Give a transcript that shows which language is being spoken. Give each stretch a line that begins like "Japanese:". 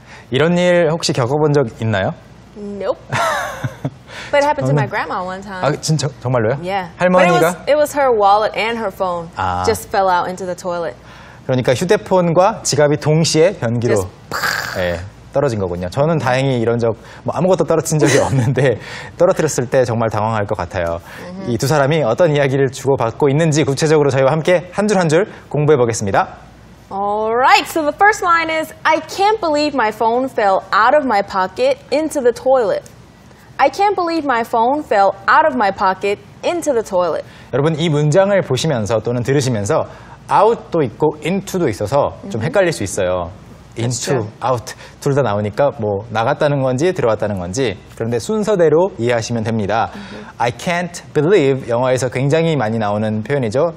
English: Nope. But it happened to my grandma one time.
Korean: 아, 진짜 정말로요?
English: Yeah.
Korean: 할머니가?
English: But it was her wallet and her phone
Korean: 아.
English: just fell out into the toilet.
Korean: 그러니까 휴대폰과 지갑이 동시에 변기로
English: just
Korean: 예, 떨어진 거군요. 저는 다행히 이런 적 뭐 아무것도 떨어진 적이 없는데 떨어뜨렸을 때 정말 당황할 것 같아요. 이 두 사람이 어떤 이야기를 주고받고 있는지 구체적으로 저희와 함께 한 줄 한 줄 공부해 보겠습니다.
English: Alright, so the first line is I can't believe my phone fell out of my pocket into the toilet. I can't believe my phone fell out of my pocket into the toilet.
Korean: 여러분 이 문장을 보시면서 또는 들으시면서 out도 있고 into도 있어서 좀 헷갈릴 수 있어요. into, 그렇죠. out 둘 다 나오니까 뭐 나갔다는 건지 들어왔다는 건지 그런데 순서대로 이해하시면 됩니다. I can't believe 영어에서 굉장히 많이 나오는 표현이죠.